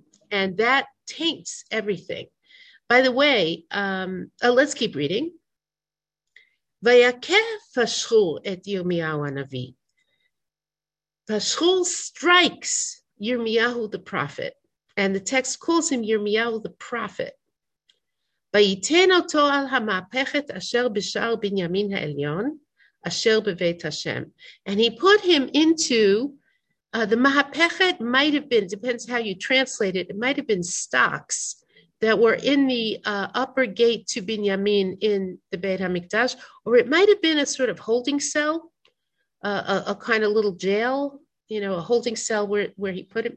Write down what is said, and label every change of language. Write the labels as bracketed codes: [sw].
[en] And that taints everything. By the way, let's keep reading. [he] Vayakeh Pashhur et Yirmiyahu Anavi. [en] Pashhur strikes Yirmiyahu the prophet. And the text calls him Yirmiyahu the prophet. [he] ויתן אותו על המהפכת אשר בשער בנימין העליון, אשר בבית השם. [en] And he put him into the mahapechet, might have been, depends how you translate it, it might have been stocks that were in the upper gate to Binyamin in the Beit HaMikdash, or it might have been a sort of holding cell, a kind of little jail, you know, a holding cell where he put him.